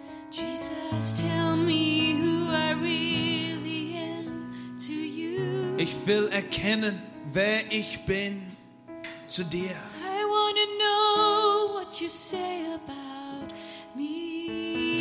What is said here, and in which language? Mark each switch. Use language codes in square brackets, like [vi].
[en] Jesus, tell me who I really am to you. [de] Ich will erkennen, wer ich bin zu dir. [en] I want to know what you say about me.